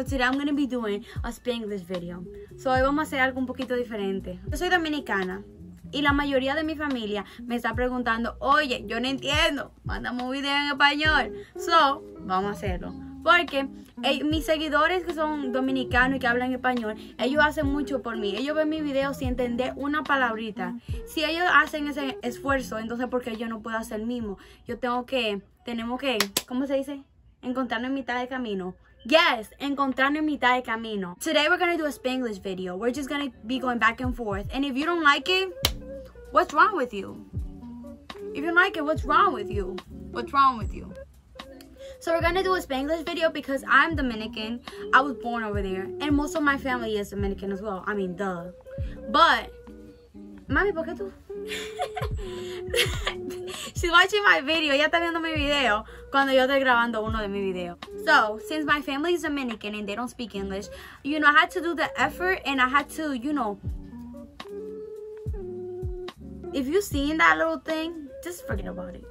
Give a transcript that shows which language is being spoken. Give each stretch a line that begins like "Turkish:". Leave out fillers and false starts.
English: So today I'm going to be doing a Spanglish video.
Spanish: So hoy vamos a hacer algo un poquito diferente. Yo soy dominicana y la mayoría de mi familia me está preguntando, oye, yo no entiendo, mándame un video en español. So, vamos a hacerlo. Porque mis seguidores que son dominicanos y que hablan español, ellos hacen mucho por mí. Ellos ven mi video sin entender una palabrita. Si ellos hacen ese esfuerzo, entonces ¿por qué yo no puedo hacer el mismo? Yo tengo que, tenemos que, ¿cómo se dice? Encontrarnos en mitad de camino. Yes, encontrarnos en mitad de camino.
English: Today we're gonna do a Spanglish video. We're just gonna be going back and forth. And if you don't like it, what's wrong with you? If you don't like it, what's wrong with you? What's wrong with you? So we're gonna do a Spanglish video because I'm Dominican. I was born over there. And most of my family is Dominican as well. I mean, duh. But,
Spanish: mami, ¿por qué tú?
English: She's watching my video.
Spanish: Ella está viendo mi video cuando yo estoy grabando uno de mis videos.
English: So, since my family is Dominican and they don't speak English, you know, I had to do the effort and I had to, you know. If you've seen that little thing, just forget about it.